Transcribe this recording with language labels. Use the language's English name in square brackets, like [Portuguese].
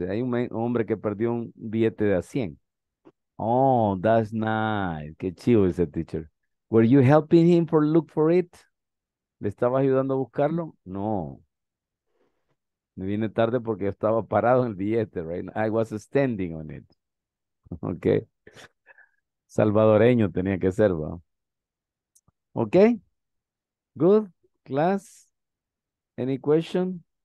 [Spanish] Hay un hombre que perdió un billete de a 100. [English] Oh, that's nice. [Spanish] Qué chido ese teacher. [English] Were you helping him for look for it? [Spanish] ¿Le estaba ayudando a buscarlo? No. Me vine tarde porque estaba parado en el billete, right? [English] I was standing on it. Okay. [Spanish] Salvadoreño tenía que ser, ¿va? [English] Okay. Good. Class. Any question?